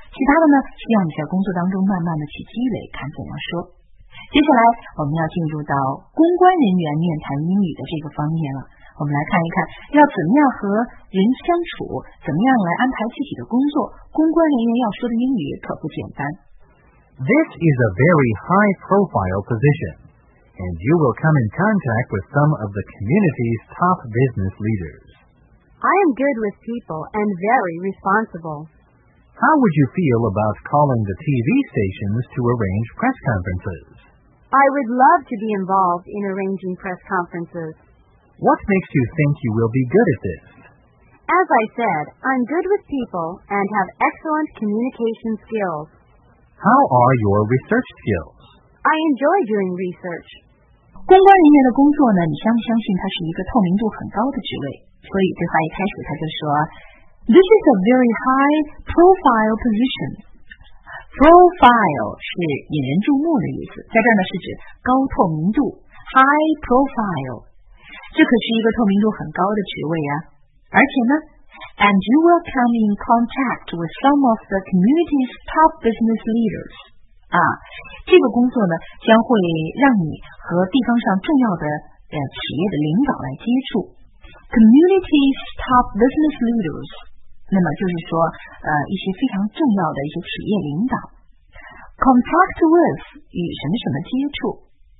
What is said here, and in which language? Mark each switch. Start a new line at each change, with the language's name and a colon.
Chinese: 其他的呢，希望你在工作当中慢慢的去积累，看怎样说。接下来我们要进入到公关人员面谈英语的这个方面了。我们来看一看，要怎么样和人相处，怎么样来安排自己的工作，公关人员要说的英语可不简单。
English: This is a very high profile position, and you will come in contact with some of the community's top business leaders. I am good with people and very responsible. How would you feel about calling the TV stations to arrange press conferences? I would love to be involved in arranging press conferences. What makes you think you will be good at this? As I said, I'm good with people and have excellent communication skills. How are your research skills? I enjoy doing research.
Chinese: 公关人员的工作呢，你相不相信它是一个透明度很高的职位？所以对话一开始他就说
English: This is a very high profile position.
Chinese: Profile 是引人注目的意思，在这儿呢是指高透明度 High profile. 这可是一个透明度很高的职位啊。而且呢
English: And you will come in contact with some of the community's top business leaders.
Chinese: 啊，这个工作呢将会让你和地方上重要的企业的领导来接触。
English: Community's top business leaders,
Chinese: 那么就是说一些非常重要的一些企业领导。 Contact with, 与什么什么接触。